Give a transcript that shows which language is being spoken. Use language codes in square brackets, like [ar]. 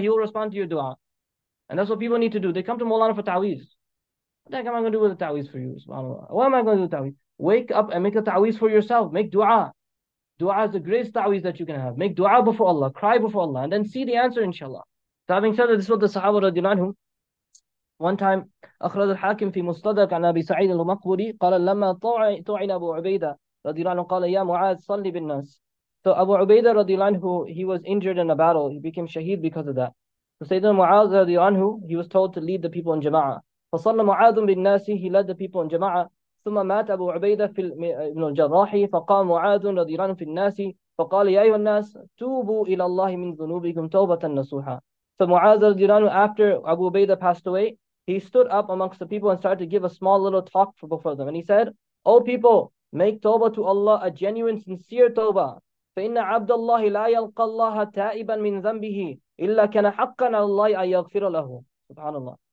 [en] He will respond to your du'a. And that's what people need to do. They come to Mawlana for ta'weez. What the heck am I going to do with a ta'weez for you? SubhanAllah. What am I going to do with ta'weez? Wake up and make a ta'weez for yourself. Make du'a. Du'a is the greatest ta'weez that you can have. Make du'a before Allah. Cry before Allah. And then see the answer, inshallah. So having said that, this is what the Sahaba radiallahu anhum. One time, [ar] أخرج الحاكم في مستدرك عن أبي سعيد المقبري قال لما طعن أبو عبيدة رضي الله عنه قال يا معاذ صلي بالناس. [en] So Abu Ubaidah رضي الله عنه, he was injured in a battle. He became shaheed because of that. So Sayyidina Mu'adh رضي الله عنه, he was told to lead the people in جماعة. [ar] فصلى معاذ بالناس, [en] he led the people in جماعة. [ar] ثم مات أبو عبيدة في ابن الجراح فقام معاذ رضي الله عنه في الناس فقال يا أيها الناس توبوا إلى الله من ذنوبكم توبة نصوحة. [en] So Muaz al-Jilani, after Abu Ubaidah passed away, he stood up amongst the people and started to give a small little talk before them. And he said, O people, make tawbah to Allah, a genuine, sincere tawbah. [ar] فَإِنَّ عَبْدَ اللَّهِ لَا يَلْقَى اللَّهَ تَائِبًا مِنْ ذَنْبِهِ إِلَّا كَانَ حَقًّا عَلَى اللَّهِ أَنْ يَغْفِرَ لَهُ. Subhanallah.